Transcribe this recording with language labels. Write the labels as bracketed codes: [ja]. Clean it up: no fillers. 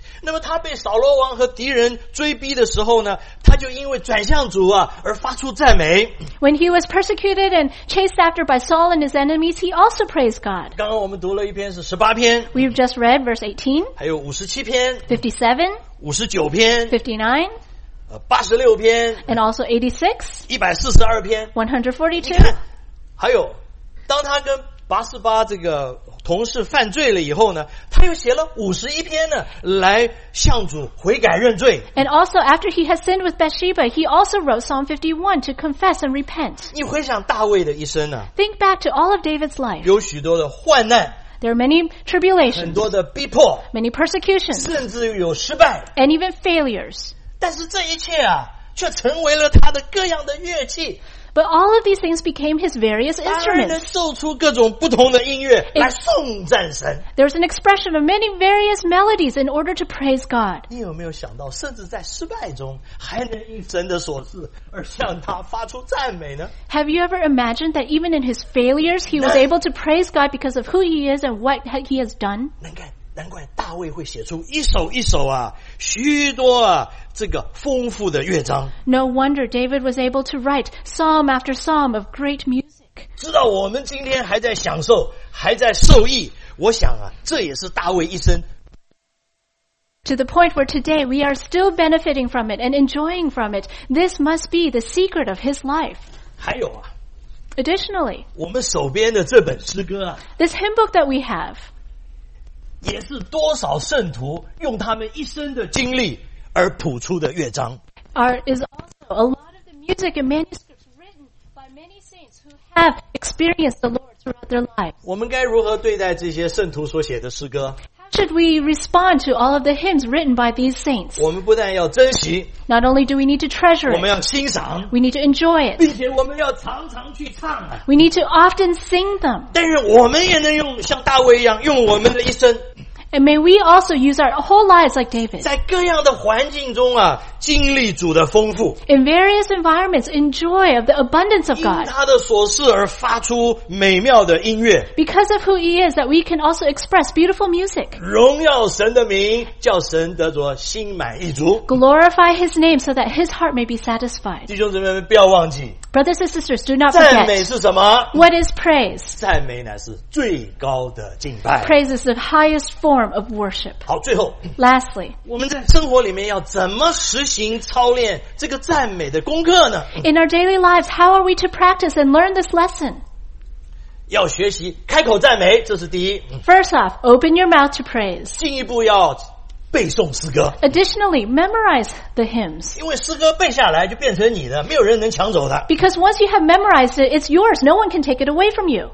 [zh] 那么他被扫罗王和敌人追逼的时候呢，他就因为转向主啊而发出赞美。 [en] When he was persecuted and chased after by Saul and his enemies, he also praised God. [zh] 刚刚我们读了一篇是十八篇。 [en] We've just read verse 18. [zh] 还有五十七篇。 [en] 57. [zh] 五十九篇。 [en] 59. [zh] 八十六篇。 [en] And also 86. [zh] 一百四十二篇。 [en] 142. [zh] 还有，当他跟八十八这个同事犯罪了以后呢，他又写了五十一篇呢，来向主悔改认罪。 [en] And also after he has sinned with Bathsheba, he also wrote Psalm 51 to confess and repent. [zh] 你回想大卫的一生呢 [en] ？Think back to all of David's life. [zh] 有许多的患难。 [en] There are many tribulations. [zh] 很多的逼迫。 [en] Many persecutions. [zh] 甚至有失败。 [en] And even failures. [zh] 但是这一切啊，却成为了他的各样的乐器。 [en] But all of these things became his various instruments. [zh] 当然能奏出各种不同的音乐来颂赞神。 [en] There's an expression of many various melodies in order to praise God. [zh] 你有没有想到，甚至在失败中还能因神的所赐而向他发出赞美呢？ [en] Have you ever imagined that even in his failures, he was able to praise God because of who he is and what he has done? [zh] 难怪大卫会写出一首一首啊，许多啊这个丰富的乐章。 [en] No wonder David was able to write psalm after psalm of great music. [zh] 知道我们今天还在享受，还在受益，我想啊，这也是大卫一生。 [en] To the point where today we are still benefiting from it and enjoying from it. This must be the secret of his life. [zh] 还有啊。 [en] Additionally, [zh] 我们手边的这本诗歌啊。 [en] This hymn book that we have. [zh] 也是多少圣徒用他们一生的经历而谱出的乐章。 [en] Is also a lot of the music and manuscripts written by many saints who have experienced the Lord throughout their lives. [zh] 我们该如何对待这些圣徒所写的诗歌？ [en] Should we respond to all of the hymns written by these saints? [zh] 我们不但要珍惜, [en] not only do we need to treasure it, [zh] 我们要欣赏, [en] we need to enjoy it, [zh] 并且我们要常常去唱, [en] we need to often sing them. [zh] 但是我们也能用, 像大卫一样, 用我们的一生, [en] and may we also use our whole lives like David, [zh] 在各样的环境中啊, 经历主的丰富, [en] in various environments, enjoy of the abundance of God, [zh] 因他的所事而发出美妙的音乐, [en] because of who he is, that we can also express beautiful music, [zh] 荣耀神的名, 叫神得着心满意足, [en] glorify his name so that his heart may be satisfied. [zh] 弟兄姊妹们不要忘记, [en] brothers and sisters, do not forget, [zh] 赞美是什么? [en] What is praise? [zh] 赞美乃是最高的敬拜, [en] praise is the highest formof worship. [zh] 好，最后 [en] Lastly, [zh] 我们在生活里面要怎么实行操练这个赞美的功课呢？ [en] In our daily lives, how are we to practice and learn this lesson? [zh] 要学习开口赞美，这是第一。 [en] First off, open your mouth to praise. [zh] 进一步要背诵诗歌。 [en] Additionally, memorize the hymns. [zh] 因为诗歌背下来就变成你的，没有人能抢走的。 [en] Because once you have memorized it, it's yours. No one can take it away from you.